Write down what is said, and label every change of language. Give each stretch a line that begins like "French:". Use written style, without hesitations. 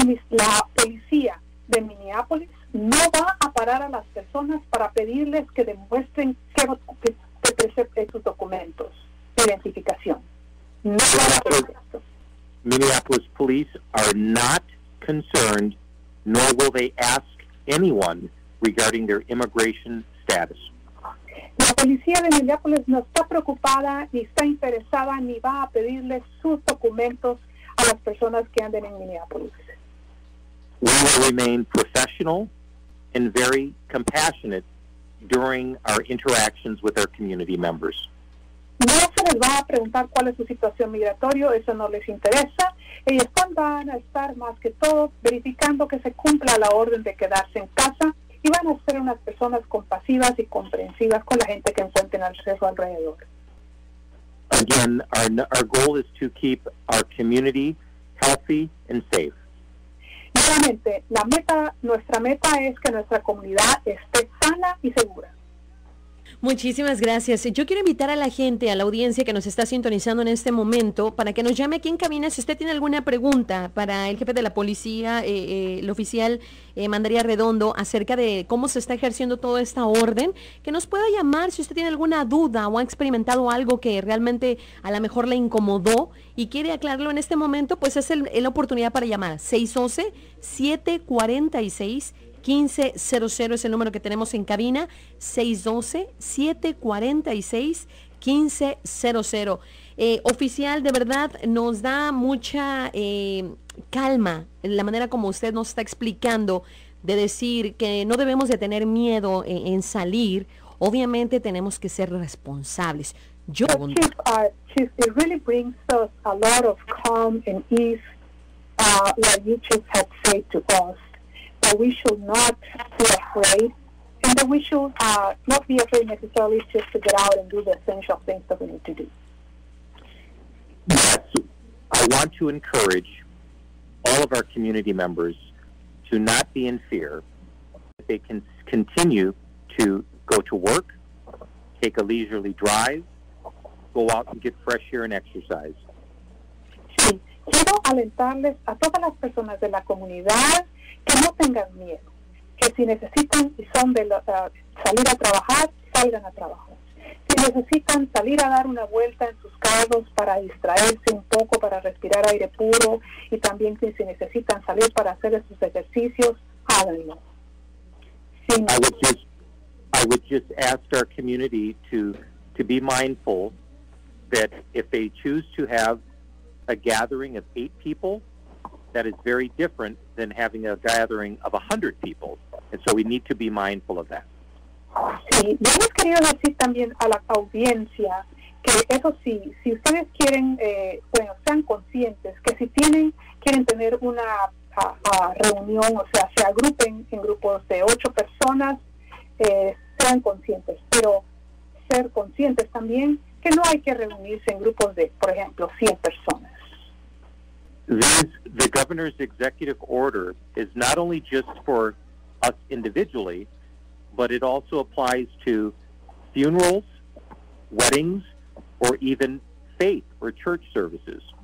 Spanish: La policía de Minneapolis no va a parar a las personas para pedirles que demuestren que presenten sus documentos de identificación. No va a hacer eso.
English: Minneapolis police are not concerned, nor will they ask anyone regarding their immigration status.
Spanish: La policía de Minneapolis no está preocupada, ni está interesada, ni va a pedirles sus documentos a las personas que anden en Minneapolis.
English: We will remain professional and very compassionate during our interactions with our community members.
Spanish: No se les va a preguntar cuál es su situación migratoria, eso no les interesa. Ellos van a estar más que todo verificando que se cumpla la orden de quedarse en casa y van a ser unas personas compasivas y comprensivas con la gente que encuentren a su alrededor.
English: Again, our goal is to keep our community healthy and safe.
Spanish: Nuevamente, nuestra meta es que nuestra comunidad esté sana y segura. Muchísimas gracias. Yo quiero invitar a la gente, a la audiencia que nos está sintonizando en este momento, para que nos llame aquí en cabina si usted tiene alguna pregunta para el jefe de la policía, el oficial Mandaría Redondo, acerca de cómo se está ejerciendo toda esta orden, que nos pueda llamar si usted tiene alguna duda o ha experimentado algo que realmente a lo mejor le incomodó y quiere aclararlo en este momento, pues es la oportunidad para llamar 611-746-1500 es el número que tenemos en cabina, 612-746-1500. Oficial, de verdad, nos da mucha calma la manera como usted nos está explicando de decir que no debemos de tener miedo en salir. Obviamente tenemos que ser responsables.
English: Yo Chief, it really brings us a lot of calm and ease that you just have said to us. That we should not be afraid, and that we should not be afraid necessarily just to get out and do the essential things that we need to do. Yes, I want to encourage all of our community members to not be in fear, that they can continue to go to work, take a leisurely drive, go out and get fresh air and exercise.
Spanish: Sí, quiero alentarles a todas las personas de la comunidad que no tengan miedo, que si necesitan y son de salir a trabajar, salgan a trabajar. Si necesitan salir a dar una vuelta en sus carros para distraerse un poco, para respirar aire puro, y también que si necesitan salir para hacer sus ejercicios, háganlo.
English: I would just ask our community to be mindful that if they choose to have a gathering of 8 people, that is very different than having a gathering of 100 people. And so we need to be mindful of that.
Spanish: Sí, yo les quería decir también a la audiencia que eso sí, si ustedes quieren, bueno, sean conscientes que si tienen, quieren tener una reunión, o sea, se agrupen en grupos de 8 personas, sean conscientes, pero ser conscientes también que no hay que reunirse en grupos de, por ejemplo, 100 personas.
English: The governor's executive order is not only just for us individually, but it also applies to funerals, weddings, or even faith or church services.